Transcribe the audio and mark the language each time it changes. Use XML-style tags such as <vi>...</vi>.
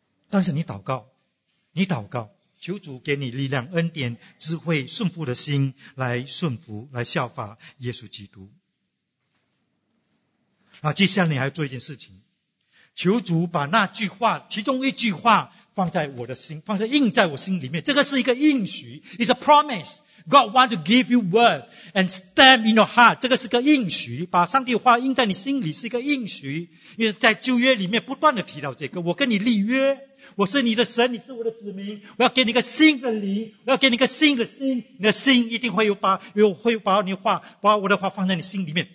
<zh>但是你祷告，你祷告，求主给你力量、恩典、智慧、顺服的心，来顺服，来效法耶稣基督。那接下来你还要做一件事情，求主把那句话，其中一句话放在我的心，放在印在我心里面。这个是一个应许，</zh> <en>It's a promise. God wants to give you word and stamp in your heart.</en> <zh>这个是个应许，把上帝的话印在你心里是一个应许。因为在旧约里面不断的提到这个，我跟你立约，我是你的神，你是我的子民，我要给你一个新的灵，我要给你一个新的心，你的心一定会有把你的话，把我的话放在你心里面。</zh>